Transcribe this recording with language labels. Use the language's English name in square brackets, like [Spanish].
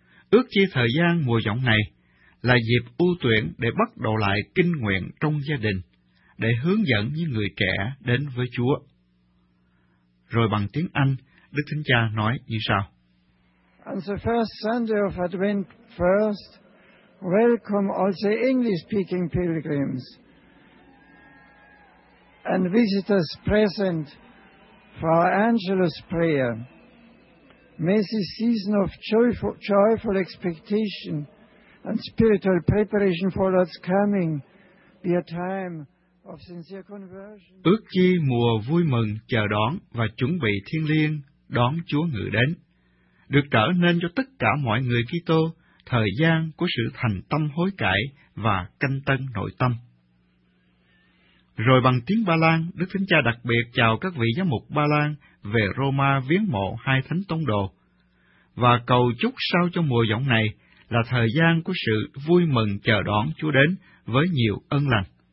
[Vietnamese] Ước chi thời gian mùa giọng này là dịp ưu tuyển để bắt đầu lại kinh nguyện trong gia đình, để hướng dẫn những người trẻ đến với Chúa. Rồi bằng tiếng Anh, Đức Thánh Cha nói như sau. [English] On the first Sunday of Advent first, welcome all the English-speaking pilgrims and visitors present for our Angelus prayer. May this season of joyful expectation and spiritual preparation for Lord's coming be a time of sincere conversion. [Vietnamese] Ước chi mùa vui mừng chờ đón và chuẩn bị thiêng liêng đón Chúa ngự đến được trở nên cho tất cả mọi người Kitô thời gian của sự thành tâm hối cải và canh tân nội tâm. Rồi bằng tiếng Ba Lan, Đức Thánh Cha đặc biệt chào các vị giám mục Ba Lan về Roma viếng mộ hai thánh tông đồ, và cầu chúc sao cho mùa giọng này là thời gian của sự vui mừng chờ đón Chúa đến với nhiều ân lành.